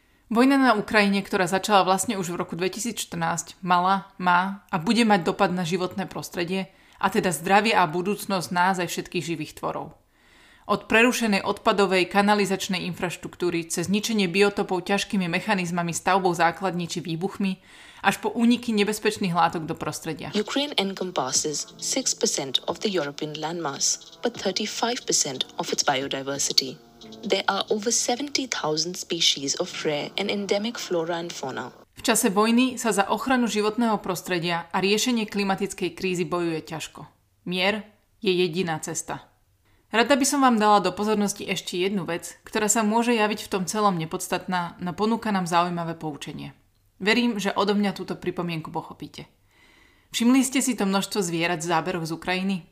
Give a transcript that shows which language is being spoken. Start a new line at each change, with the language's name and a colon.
Slovak: Vojna na Ukrajine, ktorá začala vlastne už v roku 2014, mala, má a bude mať dopad na životné prostredie a teda zdravie a budúcnosť nás aj všetkých živých tvorov. Od prerušenej odpadovej kanalizačnej infraštruktúry cez zničenie biotopov ťažkými mechanizmami stavbou základní či výbuchmi až po úniky nebezpečných látok do prostredia.
English: Ukraine encompasses 6% of the European landmass, but 35% of its biodiversity. There are over 70,000 species of rare and endemic flora and fauna.
Slovak: V čase vojny sa za ochranu životného prostredia a riešenie klimatickej krízy bojuje ťažko. Mier je jediná cesta. Rada by som vám dala do pozornosti ešte jednu vec, ktorá sa môže javiť v tom celom nepodstatná, no ponúka nám zaujímavé poučenie. Verím, že odo mňa túto pripomienku pochopíte. Všimli ste si to množstvo zvierat v záberoch z Ukrajiny?